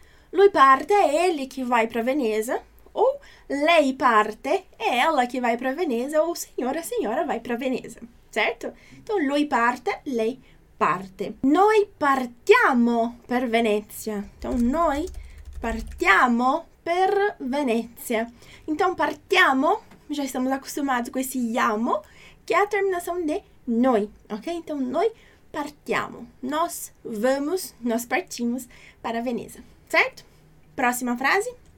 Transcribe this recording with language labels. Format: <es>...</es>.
<it>Lui parte</it> <pt>è ele che vai para Veneza. Ou</pt> <it>lei parte,</it> <pt>é ela que vai para Veneza, ou senhora, a senhora vai para Veneza, certo?</pt> <it>Então, lui parte, lei parte. Noi partiamo per Venezia. Então, noi partiamo per Venezia.</it> <pt>Então, partiamo, já estamos acostumados com esse iamo, que é a terminação de noi, ok? Então,</pt> <it>noi partiamo.</it> <pt>Nós vamos, nós partimos para Veneza, certo? Próxima frase.</pt>